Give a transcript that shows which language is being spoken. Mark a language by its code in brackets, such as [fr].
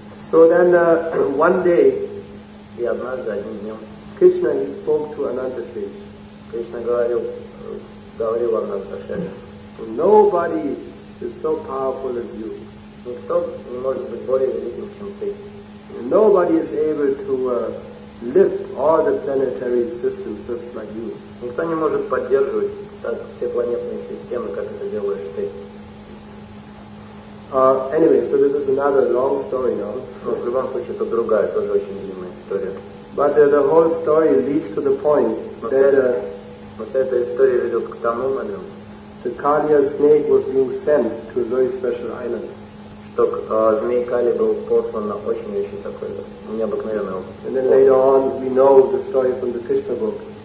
[en] So then one day, [ru] и однажды одним днем, [en] Krishna he spoke to Ananda Sesh. [ru] Кришна говорил Ананда Сеше. [en] Nobody is so powerful as you. [ru] Никто не может быть более великим, чем ты. [en] Nobody is able to lift all the planetary systems just like you. [ru] Никто не может поддерживать так все планетные системы, как это делаешь ты. [en] Anyway, so this is another long story now. [ru] Но в любом случае это другая, тоже очень длинная история. [en] But the whole story leads to the point that [ru] вся эта история ведет к тому моменту, [en] the Kaliya snake was being sent to a very special island. [ru] Что змей Кали был послан на очень-очень такой необыкновенный остров. [en] And then later on, we know the story from the Krishna book.